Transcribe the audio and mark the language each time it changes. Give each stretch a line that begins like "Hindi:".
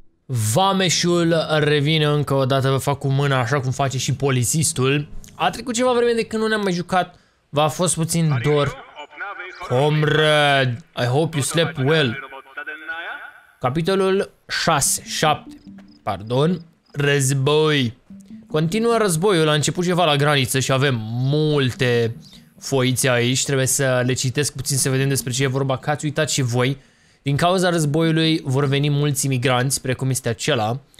Romanian: Vameșul revine încă o dată, vă fac cu mâna așa cum face și polițistul. A trecut ceva vreme de când nu ne-am mai jucat, v-a fost puțin dor.
English: Comrade, I hope you slept well.
Romanian: Capitolul 6, pardon, război. Continuă războiul, a început ceva la graniță și avem multe foițe aici, trebuie să le citesc puțin să vedem despre ce e vorba, că ați uitat și voi. Din cauza războiului vor veni mulți imigranți, precum este acela.